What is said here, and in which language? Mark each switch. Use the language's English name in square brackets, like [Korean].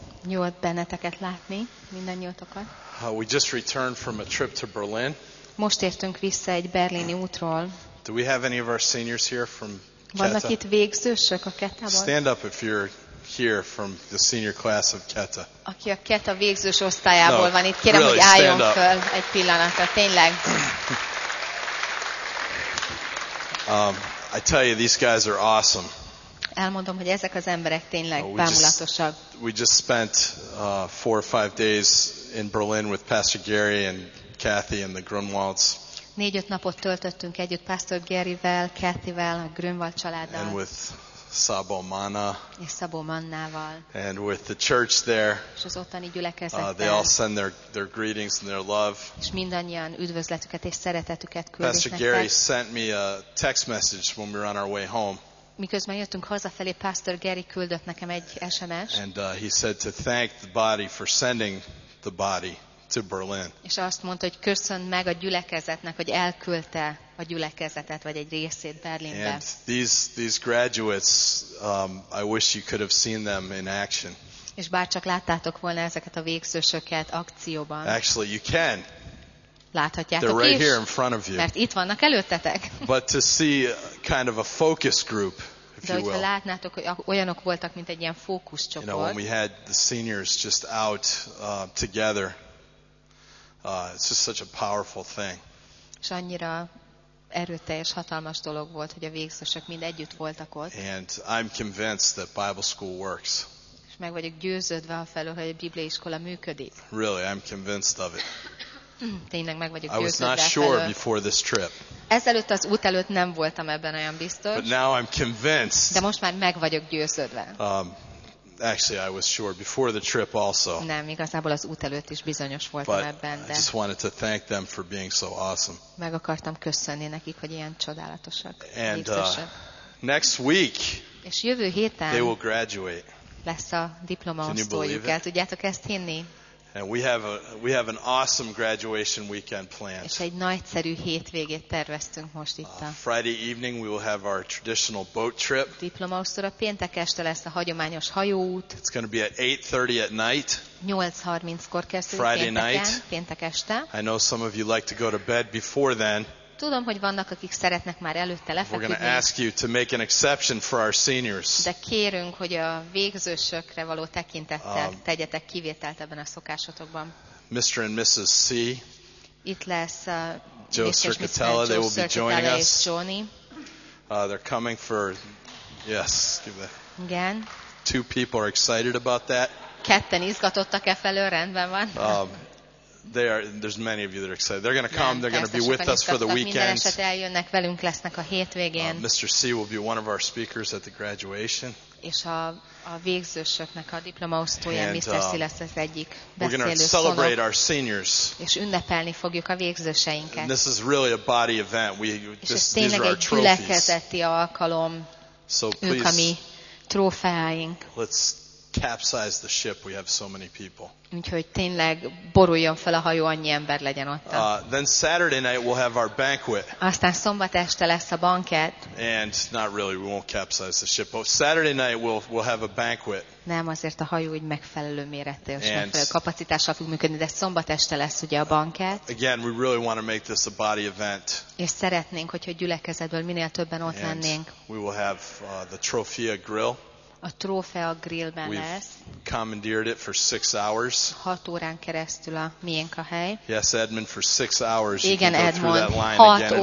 [Hungarian] Jó benneteket látni, mindannyiótokat. [English] We just returned from a trip to Berlin. [Hungarian] Most értünk vissza egy berlini útról. [English] Do we have any of our seniors here from Keta? [Hungarian] Vannak itt végzősök a Ketából? [English] Stand up if you're here from the senior class of Keta. [Hungarian] Aki a Keta végzős osztályából van itt, kérem, hogy álljon föl egy pillanatra, tényleg. [English] I tell you, these guys are awesome. [Hungarian] Elmondom, hogy ezek az emberek tényleg bámulatosak. [English] We just spent 4 or 5 days in Berlin with Pastor Gary and Kathy and the Grunwalds. [Hungarian] 4-5 napot töltöttünk együtt Pastor Garyvel, Kathyvel, a Grunwald családdal. [English] And with Szabó Manna. [Hungarian] És Szabó Mannával. [English] And with the church there. [Hungarian] És az ottani gyülekezettel. [English] They all send their greetings and their love. [Hungarian] És mindannyian üdvözletüket és szeretetüket küldik nekünk. [English] Pastor Gary sent me a text message when we were on our way home. [Hungarian] Miközben jöttünk hazafelé, Pastor Gary küldött nekem egy SMS. [English] And he said to thank the body for sending the body to Berlin. [Hungarian] És azt mondta, hogy köszönt meg a gyülekezetnek, hogy elküldte a gyülekezetet vagy egy részét Berlinbe. [English] And these graduates, I wish you could have seen them in action. [Hungarian] És bárcsak láttátok volna ezeket a végzősöket akcióban. [English] Actually, you can. [Hungarian] Láthatjátok [English] They're right [Hungarian] is, [English] here in front of you. [Hungarian] Mert itt vannak előttetek. [English] But to see kind of a focus group, if [Hungarian] De [English] you will. [Hungarian] Látnátok, olyanok voltak, mint egy ilyen fókuszcsoport. [English] You know, when we had the seniors just out together, it's just such a powerful thing. [Hungarian] És annyira erőteljes, hatalmas dolog volt, hogy a végzősök mind együtt voltak ott. [English] And I'm convinced that Bible school works. [Hungarian] És meg vagyok győződve a felől, hogy a bibliai iskola működik. [English] Really, I'm convinced of it. [Hungarian] Tényleg meg vagyok győződve. [English] I was not sure before this trip. [Hungarian] Ezelőtt az út előtt nem voltam ebben olyan biztos. [English] But now I'm convinced. [Hungarian] De most már meg vagyok győződve. [English] Actually, I was sure before the trip also. [Hungarian] Nem, igazából az út előtt is bizonyos voltam [English] But [Hungarian] ebben, de. [English] I just wanted to thank them for being so awesome. [Hungarian] Meg akartam köszönni nekik, hogy ilyen csodálatosak. [English] And next week. [Hungarian] És jövő héten. [English] They will graduate. [Hungarian] Lesz a diplomaosztójuk. El tudjátok ezt hinni? [English] And we have an awesome graduation weekend planned. [Hungarian] És egy nagyszerű hétvégét terveztünk most itt. [English] Friday evening we will have our traditional boat trip. [Hungarian] Diplomaosztóra péntek este lesz a hagyományos hajóút. [English] It's going to be at 8:30 at night. [Hungarian] 8:30-kor kezdődik. [English] Friday night. [Hungarian] Péntek este. [English] I know some of you like to go to bed before then. [Hungarian] Tudom, hogy vannak, akik szeretnek már előtte lefeküdni. [English] We're going to ask you to make an exception for our seniors. [Hungarian] De kérünk, hogy a végzősökre való tekintettel tegyetek kivételt ebben a szokásotokban. [English] Mr. and Mrs. C. [Hungarian] Itt lesz [English] Joe Circatella. They will be joining us. Johnny. They're coming for. Yes. Give that. Again. Two people are excited about that. [Hungarian] Ketten izgatottak e felől, rendben van. [English] There's many of you that are excited. They're going to come. They're going to be with us for the weekend. [Hungarian] Minden esetre eljönnek velünk, lesznek a hétvégén. [English] Mr. C will be one of our speakers at the graduation. [Hungarian] És a végzősöknek a diplomaosztója, Mr. C lesz az egyik beszélő. [English] We're going to celebrate our seniors. [Hungarian] És ünnepelni fogjuk a végzőseinket. [English] And this is really a body event. These are our trophies. [Hungarian] Alkalom. [English] So [Hungarian] ők a mi trófeáink. [English] Let's capsize the ship. We have so many people. [Hungarian] Úgyhogy tényleg boruljon fel a hajó, annyi ember legyen ott. [English] Then Saturday night we'll have our banquet. [Hungarian] Aztán szombat este lesz a banket. [English] And not really, we won't capsize the ship. But Saturday night we'll have a banquet. [Hungarian] Nem, azért a hajó úgy megfelelő mérettel és megfelelő kapacitással fog működni, de szombat este lesz ugye a banket. [English] Again, we really want to make this a body event. [Hungarian] És szeretnénk, hogyha gyülekezetből minél többen ott [English] and [Hungarian] lennénk. [English] We will have the Trophia Grill. [Hungarian] A trófea grillben [English] We've [Hungarian] lesz. [English] We've commandeered it for 6 hours. [Hungarian] 6 órán keresztül a miénk a hely. [English] Yes, Edmund, for 6 hours. [Hungarian] Igen, [English] you Edmund, that line 6 again